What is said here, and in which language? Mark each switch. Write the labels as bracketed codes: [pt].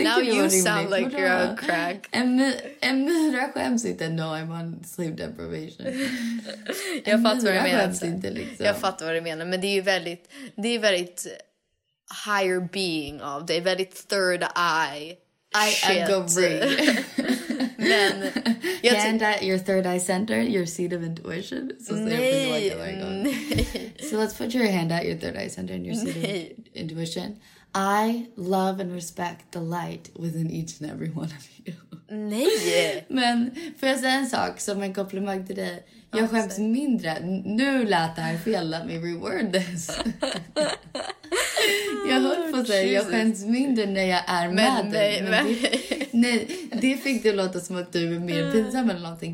[en] Now you sound like you're on crack. [sv] En myra skäms inte. [en] No, I'm on sleep deprivation. [sv] Jag fattar vad du menar. Skäms inte, liksom. Jag fattar vad du menar. Men det är ju väldigt, det är väldigt [en] higher being [sv] av dig. Väldigt third eye. [en] I am Gabriel. [sv] Men [en] hand at your third eye center, your seat of intuition. So [sv] nej, [en] so let's put your hand at your third eye center and your seat of intuition. I love and respect the light within each and every one of you. [sv] Nej. Men för att säga en sak som en komplimang till dig. Jag skäms mindre. Nu lät det här fel. [en] Let me reword this. [sv] Jag höll på att säga, jag skäms mindre när jag är med dig. Men, Nej, det fick du låta som att du är mer pinsam eller någonting.